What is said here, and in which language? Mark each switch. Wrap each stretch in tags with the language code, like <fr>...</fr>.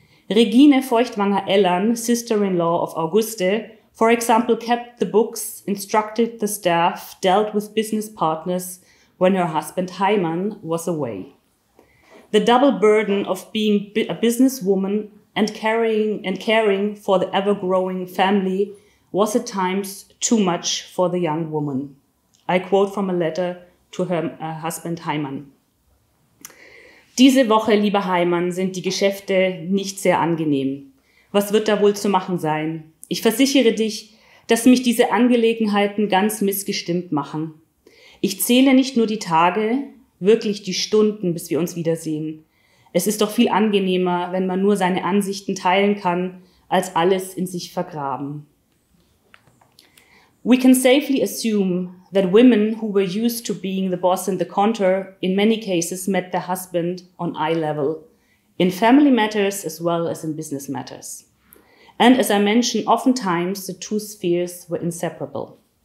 <en>Regine Feuchtwanger Ellern, sister-in-law of Auguste, for example, kept the books, instructed the staff, dealt with business partners when her husband Heimann was away. The double burden of being a businesswoman and caring for the ever-growing family was at times too much for the young woman. I quote from a letter to her husband Heimann.</en> <de>"Diese Woche, lieber Heimann, sind die Geschäfte nicht sehr angenehm. Was wird da wohl zu machen sein? Ich versichere dich, dass mich diese Angelegenheiten ganz missgestimmt machen. Ich zähle nicht nur die Tage, wirklich die Stunden, bis wir uns wiedersehen. Es ist doch viel angenehmer, wenn man nur seine Ansichten teilen kann, als alles in sich vergraben."</de> <en>We can safely assume that women who were used to being the boss and the counter in many cases met their husband on eye level, in family matters as well as in business matters. And as I mentioned, oftentimes the two spheres were inseparable.</en>